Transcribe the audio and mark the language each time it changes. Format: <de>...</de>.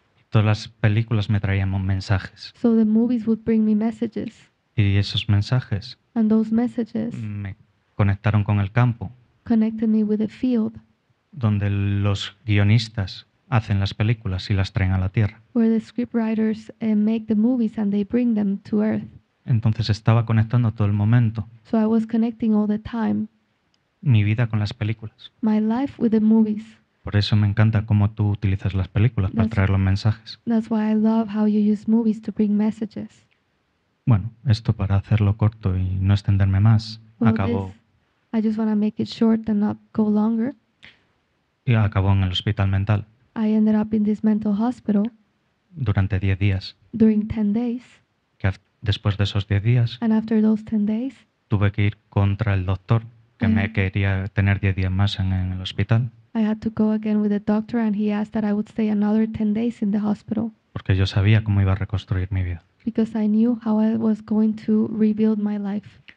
<es>Todas las películas me traían mensajes.</es> <en>So the movies would bring me messages.</en> <es>Y esos mensajes,</es> <en>and those messages,</en> <es>me conectaron con el campo.</es> <en>Connected me with the field.</en> <es>Donde los guionistas hacen las películas y las traen a la tierra.</es> <en>Where the scriptwriters make the movies and they bring them to earth.</en> <es>Entonces estaba conectando todo el momento.</es> <en>So I was connecting all the time.</en> <es>Mi vida con las películas.</es> <en>My life with the movies.</en> <es>Por eso me encanta cómo tú utilizas las películas para traer los mensajes.</es> <en>That's why I love how you use movies to bring messages.</en> <es>Bueno, esto para hacerlo corto y no extenderme más,</es> <en>well,</en> <es>acabó.</es> <en>I just want to make it short and not go longer.</en> <es>Y acabó en el hospital mental.</es> <en>I ended up in this mental hospital.</en> <es>Durante 10 días.</es> <en>During 10 days.</en> <es>Que después de esos 10 días.</es> <en>And after those 10 days.</en> <es>Tuve que ir contra el doctor que me quería tener 10 días más en el hospital.</es> <en>I had to go again with the doctor and he asked that I would stay another 10 days in the hospital.</en> <es>Porque yo sabía cómo iba a reconstruir mi vida.</es> <en>Because I knew how I was going to rebuild my life.</en>